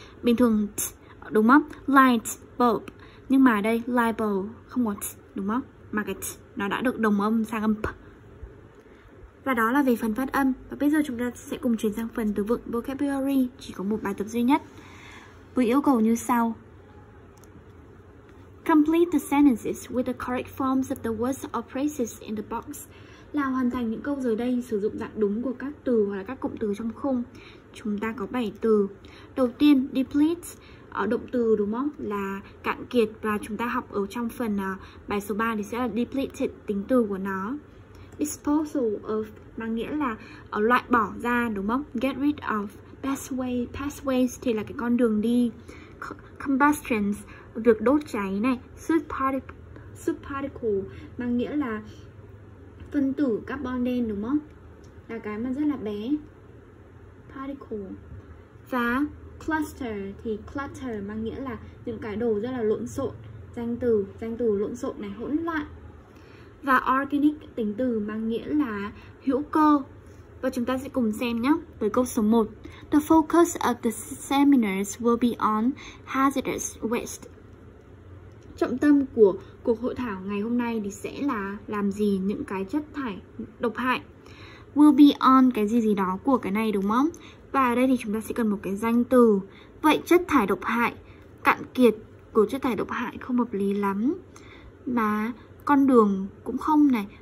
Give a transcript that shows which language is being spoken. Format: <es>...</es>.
<vi>Bình thường t, đúng không? Light bulb. Nhưng mà đây light bulb không có t, đúng không? Mà cái t nó đã được đồng âm sang âm p. Và đó là về phần phát âm. Và bây giờ chúng ta sẽ cùng chuyển sang phần từ vựng vocabulary. Chỉ có một bài tập duy nhất với yêu cầu như sau.</vi> <en>Complete the sentences with the correct forms of the words or phrases in the box.</en> <vi>Là hoàn thành những câu dưới đây sử dụng dạng đúng của các từ hoặc là các cụm từ trong khung. Chúng ta có 7 từ. Đầu tiên, deplete, động từ đúng không? Là cạn kiệt và chúng ta học ở trong phần bài số 3 thì sẽ là depleted, tính từ của nó. Disposal of, mang nghĩa là loại bỏ ra đúng không? Get rid of, pathways thì là cái con đường đi. Combustions, việc đốt cháy này, soot particle mang nghĩa là phân tử carbon đen đúng không? Là cái mà rất là bé, particle. Và cluster thì clutter mang nghĩa là những cái đồ rất là lộn xộn, danh từ lộn xộn này, hỗn loạn. Và organic, tính từ mang nghĩa là hữu cơ. Và chúng ta sẽ cùng xem nhé, tới câu số 1.</vi> <en>The focus of the seminars will be on hazardous waste.</en> <vi>Trọng tâm của cuộc hội thảo ngày hôm nay thì sẽ là làm gì những cái chất thải độc hại.</vi> <en>Will be on</en> <vi>cái gì đó của cái này đúng không? Và ở đây thì chúng ta sẽ cần một cái danh từ. Vậy chất thải độc hại, cạn kiệt, của chất thải độc hại không hợp lý lắm. Mà con đường cũng không này.</vi>